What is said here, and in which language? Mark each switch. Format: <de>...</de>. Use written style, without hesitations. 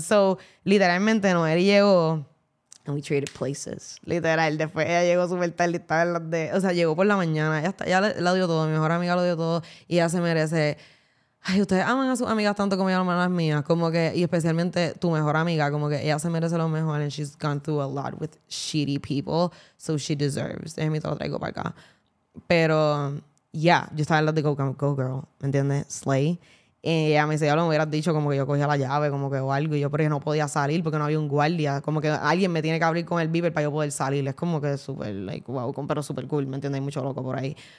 <en>So,</en> <es>literalmente Noeli llegó</es> <en>and we traded places.</en> <es>Literal, después ella llegó súper tarde y estaba en la de... O sea, llegó por la mañana. Ella dio todo. Mi mejor amiga lo dio todo. Y ella se merece... Ay, ustedes aman a sus amigas tanto como yo amo a las mías. Como que, y especialmente tu mejor amiga, como que ella se merece lo mejor.</es> <en>And she's gone through a lot with shitty people. So she deserves.</en> <es>Déjame todo lo traigo para acá. Pero, yeah, yo estaba en la de</es> <en>go girl,</en> <es>¿me entiendes?</es> <en>Slay.</en> <es>Y a mí si ya lo hubieras dicho, como que yo cogía la llave, como que o algo, y yo por eso no podía salir porque no había un guardia. Como que alguien me tiene que abrir con el beeper para yo poder salir. Es como que súper, like, wow, pero súper cool, ¿me entiendes? Hay mucho loco por ahí.</es>